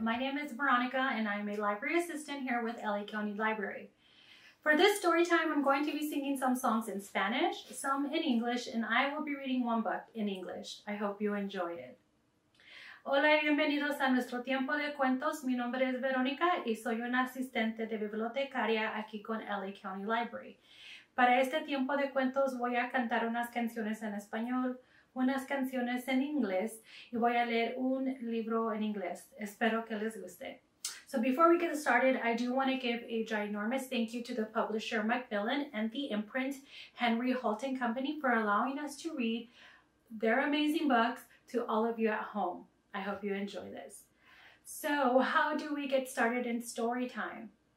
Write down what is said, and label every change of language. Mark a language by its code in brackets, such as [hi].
[en] My name is Veronica and I'm a library assistant here with LA County Library. For this story time, I'm going to be singing some songs in Spanish, some in English, and I will be reading one book in English. I hope you enjoy it. [es] Hola y bienvenidos a nuestro tiempo de cuentos. Mi nombre es Veronica y soy una asistente de bibliotecaria aquí con LA County Library. Para este tiempo de cuentos voy a cantar unas canciones en español, unas canciones en inglés, y voy a leer un libro en inglés. Espero que les guste. [en] So before we get started, I do want to give a ginormous thank you to the publisher Macmillan and the imprint Henry Holt & Company for allowing us to read their amazing books to all of you at home. I hope you enjoy this. So how do we get started in story time?